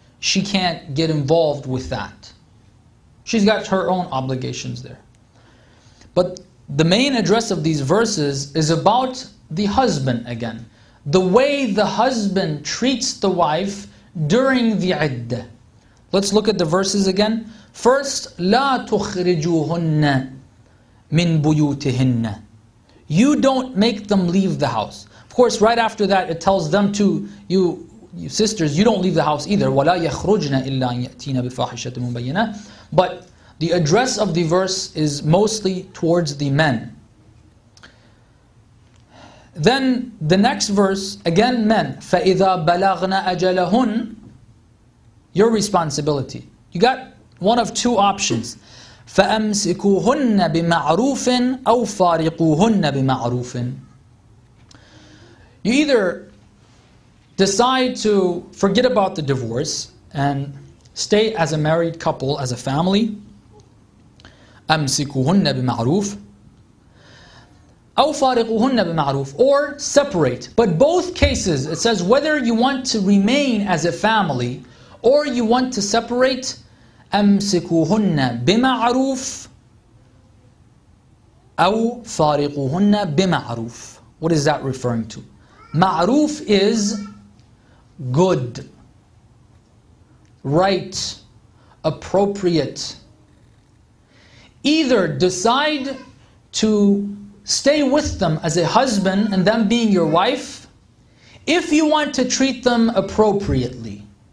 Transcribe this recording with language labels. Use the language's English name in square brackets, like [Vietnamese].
[English] She can't get involved with that. She's got her own obligations there. But the main address of these verses is about the husband again. The way the husband treats the wife during the iddah. Let's look at the verses again. First, [Arabic] لَا تُخْرِجُوهُنَّ مِن بُيُوتِهِنَّ. [English] You don't make them leave the house. Of course, right after that, it tells them to, you sisters, you don't leave the house either. [Arabic] وَلَا يَخْرُجْنَ إِلَّا أَن يَأْتِينَ بِفَاحِشَةٍ مُبَيِّنَةٍ. [English] But the address of the verse is mostly towards the men. Then the next verse, again men, [Arabic] فَإِذَا بَلَغْنَ أَجَلَهُنْ. [English] Your responsibility. You got one of two options. [Arabic] فَأَمْسِكُوهُنَّ بِمَعْرُوفٍ أَوْ فَارِقُوهُنَّ بِمَعْرُوفٍ. [English] You either decide to forget about the divorce and stay as a married couple, as a family. [Arabic] أَمْسِكُوهُنَّ بِمَعْرُوفٍ أو فارقهن بمعروف, [English] or separate. But both cases, it says whether you want to remain as a family or you want to separate, [Arabic] أمسكوهن بمعروف أو فارقوهن بمعروف. [English] What is that referring to? معروف is good, right, appropriate. Either decide to stay with them as a husband and them being your wife, if you want to treat them appropriately.